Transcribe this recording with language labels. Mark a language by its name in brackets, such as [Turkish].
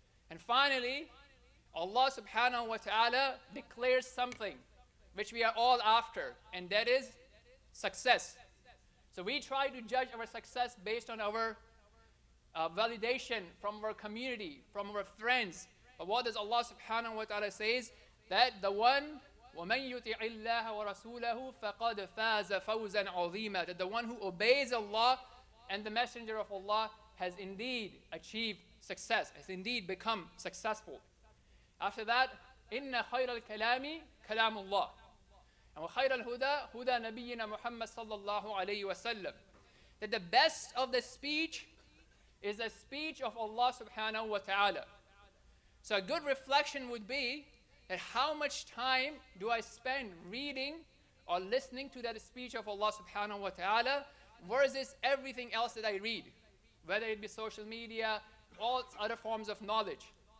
[English] And finally, Allah subhanahu wa ta'ala declares something which we are all after, and that is success. So we try to judge our success based on our validation from our community, from our friends. But what does Allah subhanahu wa ta'ala says? That the one, [Arabic] وَمَنْ يُطِعِ اللَّهَ وَرَسُولَهُ فَقَدْ فَازَ فَوْزًا عَظِيمًا. [English] That the one who obeys Allah and the Messenger of Allah has indeed achieved success, has indeed become successful. After that, [Arabic] إِنَّ خَيْرَ الْكَلَامِ كَلَامُ اللَّهِ وَخَيْرَ الْهُدَى هُدَى نَبِيِّنَا مُحَمَّدْ صَلَّى اللَّهُ عَلَيْهِ وَسَلَّمْ. [English] That the best of the speech is the speech of Allah subhanahu wa ta'ala. So a good reflection would be that how much time do I spend reading or listening to that speech of Allah subhanahu wa ta'ala versus everything else that I read, whether it be social media, all other forms of knowledge.